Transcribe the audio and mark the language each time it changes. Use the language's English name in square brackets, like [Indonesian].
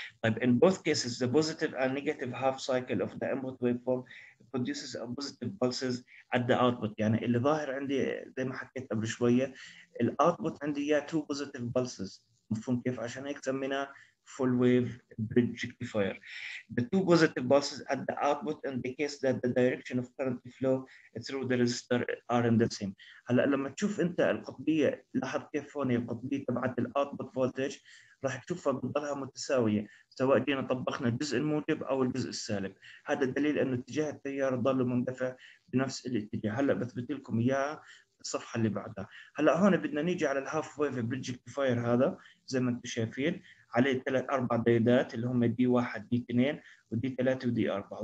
[English] طيب in both cases the positive and negative half cycle of the input waveform produces positive pulses at the output. [Arabic] يعني اللي ظاهر عندي زي ما حكيت قبل شويه الاوتبوت عندي يا [English] Two positive pulses. [Arabic] مفهوم كيف؟ عشان هيك سميناه فول ويف بريدج ريكتيفاير. [English] The two positive pulses at the output indicates that the direction of current flow through the resistor are in the same. [Arabic] هلا لما تشوف انت القطبيه لاحظ كيف هون القطبيه تبعت الاوتبوت فولتج راح تشوفها بتضلها متساويه سواء جينا طبقنا الجزء الموجب او الجزء السالب. هذا دليل انه اتجاه التيار ضل مندفع بنفس الاتجاه. هلا بثبت لكم اياها الصفحه اللي بعدها. هلا هون بدنا نيجي على الهاف ويف بريدج ريكتيفاير هذا زي ما انتم شايفين عليه ثلاث اربع دايدات اللي هم دي 1 دي 2 ودي 3 ودي 4.